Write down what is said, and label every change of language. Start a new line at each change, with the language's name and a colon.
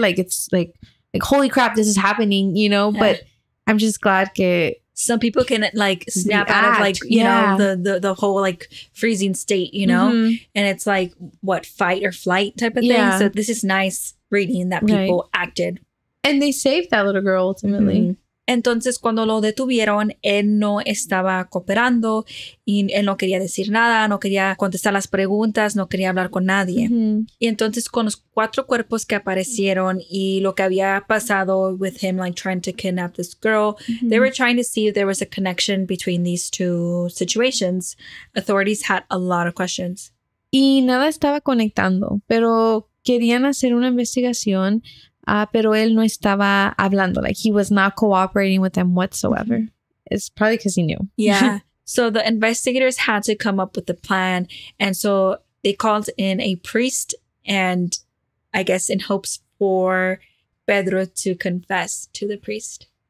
English: Like, it's like, holy crap, this is happening, you know, but I'm just glad que some people can, like, snap out of, like, you know, the whole, like, freezing state, you know, and it's like, what, fight or flight type of thing. So this is nice reading that people acted. And they saved that little girl ultimately. Mm-hmm.
Spanish: Entonces, cuando lo detuvieron, él no estaba cooperando y él no quería decir nada, no quería contestar las preguntas, no quería hablar con nadie. Y entonces, con los 4 cuerpos que aparecieron y lo que había pasado
English: with him, like, trying to kidnap this girl, they were trying to see if there was a connection between these 2 situations. Authorities had a lot of questions.
Spanish: Y nada estaba conectando, pero querían hacer una investigación. Pero él no estaba hablando.
English: Like, he was not cooperating with them whatsoever. It's probably because he knew. Yeah. So the investigators had to come up with a plan. And so they called in a priest, and I guess in hopes for Pedro to confess to the priest.